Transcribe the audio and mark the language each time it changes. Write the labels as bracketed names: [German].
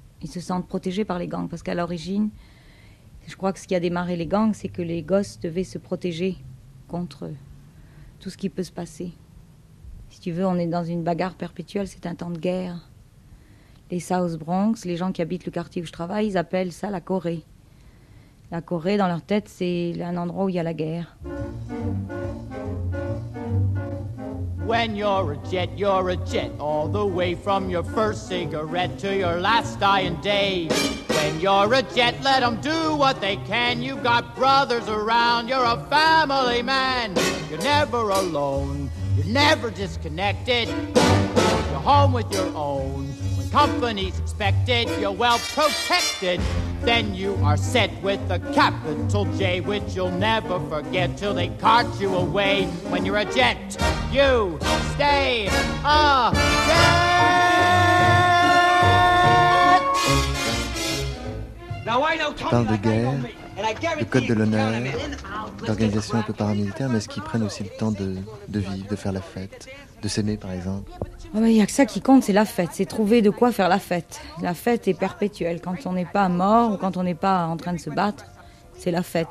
[French] Ils se sentent protégés par les gangs, parce qu'à l'origine, je crois que ce qui a démarré les gangs, c'est que les gosses devaient se protéger contre tout ce qui peut se passer. Si tu veux, on est dans une bagarre perpétuelle, c'est un temps de guerre. Les South Bronx, les gens qui habitent le quartier où je travaille, ils appellent ça la Corée. La Corée, dans leur tête, c'est un endroit où il y a la guerre. [English] When you're a jet, all the way from your first cigarette to your last dying day. When you're a jet, let them do what they can. You've got brothers around, you're a family man. You're never alone, you're never disconnected. You're home with your own, when company's expected, you're well protected. Then you are set with a capital J, which you'll never forget till they cart you away. When you're a jet, you stay a jet. Now I know Tony. [French] Parle de guerre, le code de l'honneur, d'organisation un peu paramilitaire, mais est-ce qu'ils prennent aussi le temps de vivre, de faire la fête, de s'aimer par exemple? Il n'y a que ça qui compte, c'est la fête, c'est trouver de quoi faire la fête. La fête est perpétuelle, quand on n'est pas mort ou quand on n'est pas en train de se battre, c'est la fête.